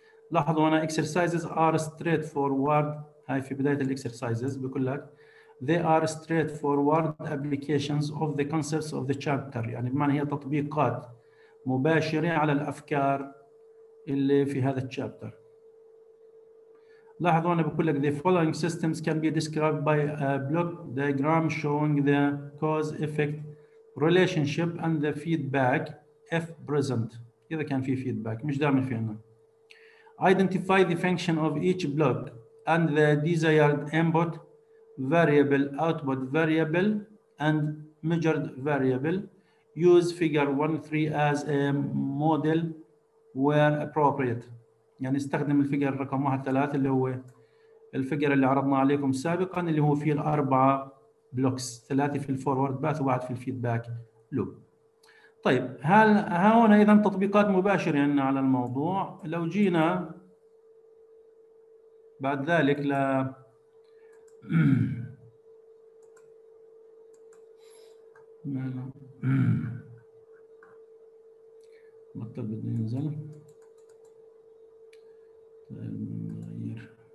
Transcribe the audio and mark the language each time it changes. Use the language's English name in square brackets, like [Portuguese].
[Arabic] لاحظوا أنا اكسرسايزز ار ستريت فورورد، هاي في بداية الاكسرسايزز بيقول لك [English] they are straightforward applications of the concepts of the chapter، [Arabic] يعني بمعنى هي تطبيقات مباشرة على الأفكار اللي في هذا الشابتر. لاحظوا أنا بقول لك [English] the following systems can be described by a block diagram showing the cause-effect relationship and the feedback if present. [Arabic] إذا كان في feedback، مش دائما في عندنا. [English] Identify the function of each block and the desired input variable, output variable, and measured variable. Use figure 1-3 as a model where appropriate. [Arabic] يعني استخدم الفيجر رقم 1-3 اللي هو الفيجر اللي عرضنا عليكم سابقا اللي هو فيه الأربعة بلوكس، ثلاثة في الفورورد باث وواحد في الفيدباك لوب. طيب هل ها هنا إذا تطبيقات مباشرة عندنا على الموضوع. لو جينا بعد ذلك ل بطل بده ينزل، طيب نغير.